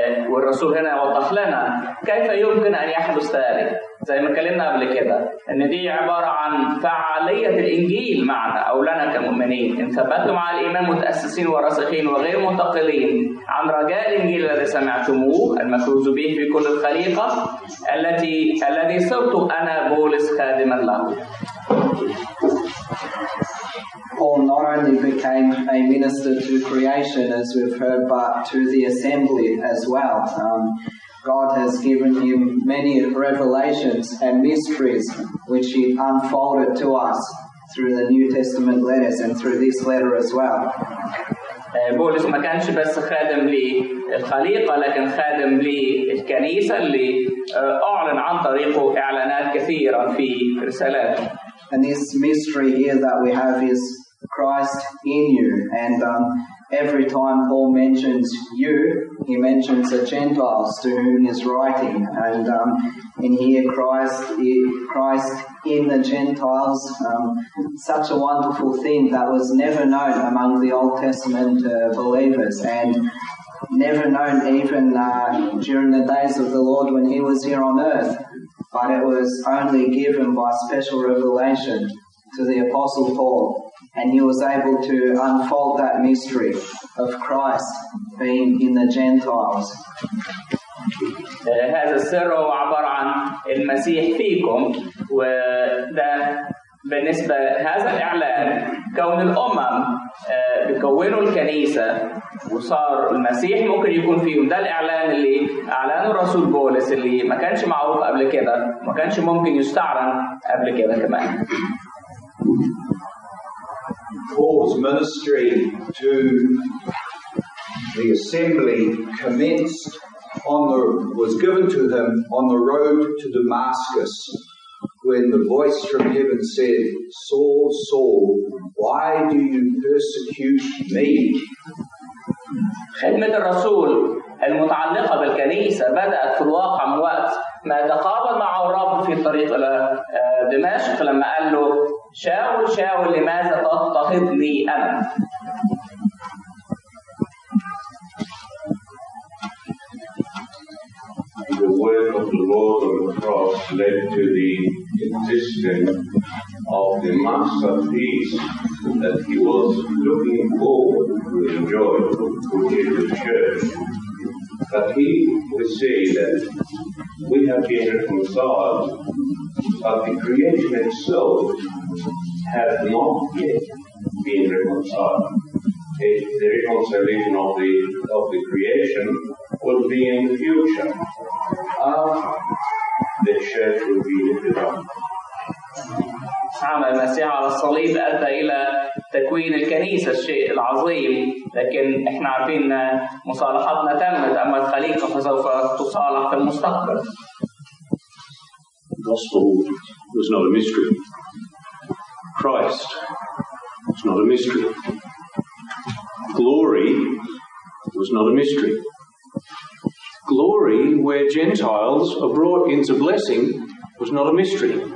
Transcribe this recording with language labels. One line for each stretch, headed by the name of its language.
Arabic: والرسول هنا يوضح لنا كيف يمكن أن يحدث ذلك زي ما كلمنا قبل كده أن دي عبارة عن فعالية الإنجيل معنا أو لنا كمؤمنين إن ثبتتم على الإيمان متأسسين وراسخين وغير متقلين عن رجاء الإنجيل الذي سمعتموه المكروز به في كل الخليقة الذي صرت أنا بولس خادما له.
English: Paul not only became a minister to creation, as we've heard, but to the assembly as well. God has given him many revelations and mysteries which he unfolded to us through the New Testament letters and through this letter as well.
Arabic: بولس ما كانش بس خادم لي الخليقة لكن خادم لي الكنيسة اللي أعلن عن طريقه إعلانات كثيرة في رسالاته.
English: And this mystery here that we have is Christ in you. And every time Paul mentions you, he mentions the Gentiles to whom he's writing. And in here, Christ in the Gentiles, such a wonderful thing that was never known among the Old Testament believers and never known even during the days of the Lord when he was here on earth. But it was only given by special revelation to the Apostle Paul. And he was able to unfold that mystery of Christ being in the Gentiles.
Arabic: هذا السر هو عبارة عن المسيح فيكم وده بالنسبة هذا الإعلان كون الأمم بكونوا الكنيسة وصار المسيح ممكن يكون فيهم ده الإعلان اللي أعلانه الرسول بولس اللي ما كانش معروف قبل كده ما كانش ممكن يستعرض قبل كده كمان.
English: Paul's ministry to the assembly commenced was given to him on the road to Damascus when the voice from heaven said, Saul, Saul, why do you persecute me?
Arabic: خدمة الرسول المتعلقة بالكنيسة بدأت في الواقع من وقت ما تقابل معه الرب في الطريق إلى دمشق لما قال له شاول شاول لماذا تضطهدني أنا؟
English: The work of the Lord on the cross led to the existence of the masterpiece that he was looking forward to enjoy, which is the church. But he would say that we have been reconciled, but the creation itself has not yet been reconciled. The reconciliation of the creation will be in the future. The church will be lifted up.
Arabic: عمل المسيح على الصليب أدى إلى تكوين الكنيسة الشيء العظيم لكن إحنا عارفين مصالحتنا تمت أما الخليقة فسوف تصالح في المستقبل.
English: The gospel was not a mystery. Christ was not a mystery. Glory was not a mystery. Glory where Gentiles are brought into blessing was not a mystery.